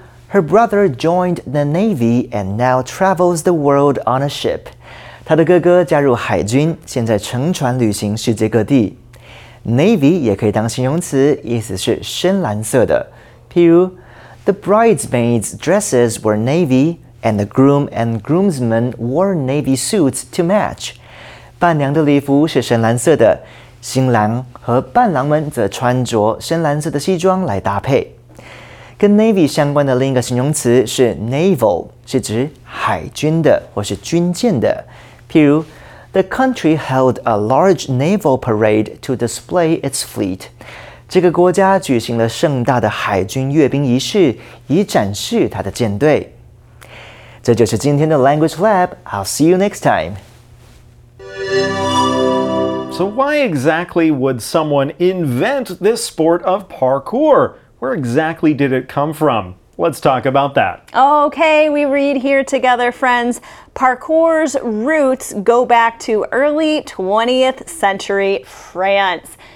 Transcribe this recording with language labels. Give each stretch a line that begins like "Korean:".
English: Her brother joined the Navy and now travels the world on a ship.
Chinese: 她的哥哥加入海军，现在乘船旅行世界各地。 Navy 也可以当形容词，意思是深蓝色的。譬如
English: ，The bridesmaids' dresses were navy, and the groom and groomsmen wore navy suits to match.
Chinese: 伴娘的礼服是深蓝色的，新郎和伴郎们则穿着深蓝色的西装来搭配。跟 navy 相关的另一个形容词是 naval， 是指海军的或是军舰的。譬如。
English: The country held a large naval parade to display its fleet.
Chinese: 这个国家举行了盛大的海军阅兵仪式，以展示它的舰队。这就是今天的
English: Language Lab. I'll see you next time. So why exactly would someone invent this sport of parkour? Where exactly did it come from? Let's talk about that. Okay, we read here together, friends. Parkour's roots go back to early 20th century France.